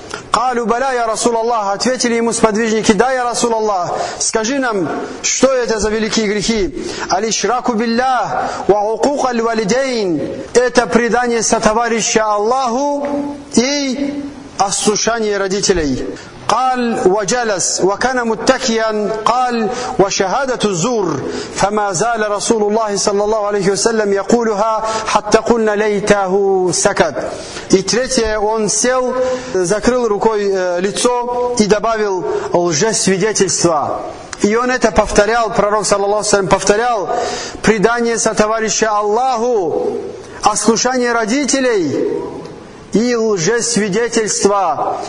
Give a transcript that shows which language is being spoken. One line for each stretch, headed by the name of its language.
Arabic: «Калю баля, я Расулаллах»,
Russian: ответили ему сподвижники, «Да, я Расулаллах, скажи нам, что это за великие грехи?»
Arabic: «Алишраку биллах, ва укук аль-валидейн»,
Russian: это предание сотоварища Аллаху и ослушание родителей.
Arabic: قال وجلس وكان متكيا قال وشهادة الزور فما زال رسول الله صلى الله عليه وسلم يقولها حتى قلنا ليته سكت.
Russian: И третье, он сел, закрыл рукой лицо и добавил лжесвидетельство. И он это повторял, пророк саллаллаху алейхи ва саллям повторял предание сотоварища Аллаху, ослушание родителей и лжесвидетельства.